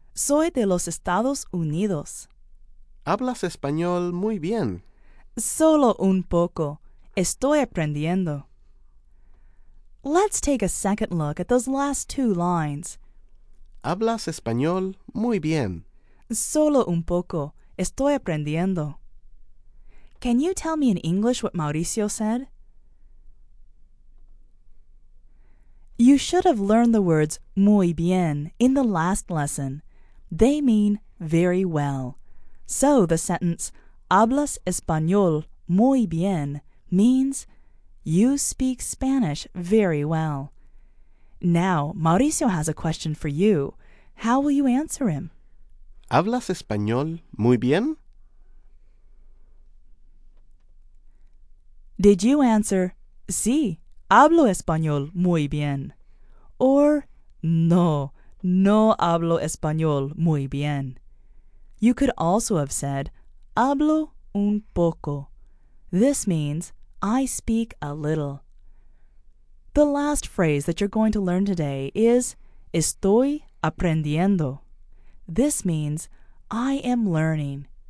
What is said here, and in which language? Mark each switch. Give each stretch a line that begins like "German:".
Spanish: Soy de los Estados Unidos. Hablas español muy bien. Solo un poco. Estoy aprendiendo.
English: Let's take a second look at those last two lines.
Spanish: Hablas español muy bien. Solo un poco. Estoy aprendiendo.
English: Can you tell me in English what Mauricio said? You should have learned the words
Spanish: muy bien
English: in the last lesson. They mean very well. So the sentence,
Spanish: hablas español muy bien,
English: means you speak Spanish very well. Now, Mauricio has a question for you. How will you answer him?
Spanish: ¿Hablas español muy bien?
English: Did you answer,
Spanish: sí, hablo español muy bien? Or, no, no hablo español muy bien.
English: You could also have said,
Spanish: hablo un poco.
English: This means, I speak a little. The last phrase that you're going to learn today is,
Spanish: estoy aprendiendo.
English: This means, I am learning.